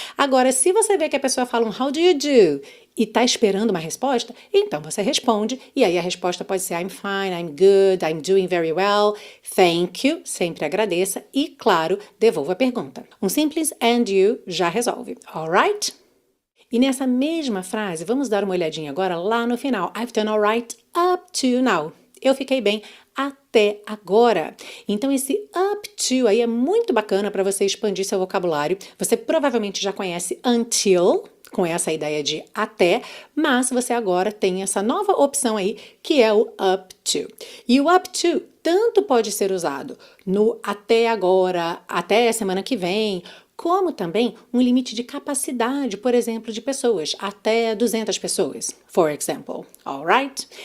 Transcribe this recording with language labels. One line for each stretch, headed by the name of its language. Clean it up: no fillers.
Portuguese: Agora, se você vê que a pessoa fala um
English: how do you do
Portuguese: e tá esperando uma resposta, então você responde e aí a resposta pode ser
English: I'm fine, I'm good, I'm doing very well, thank you, sempre
Portuguese: agradeça e, claro, devolva a pergunta. Um simples
English: and you
Portuguese: já resolve,
English: all right?
Portuguese: E nessa mesma frase, vamos dar uma olhadinha agora lá no final.
English: I've done all right up to now.
Portuguese: Eu fiquei bem até agora. Então, esse up to aí é muito bacana para você expandir seu vocabulário. Você provavelmente já conhece until, com essa ideia de até, mas você agora tem essa nova opção aí, que é o up to. E o up to tanto pode ser usado no até agora, até semana que vem, como também um limite de capacidade, por exemplo, de pessoas, até 200 pessoas,
English: for example. All right?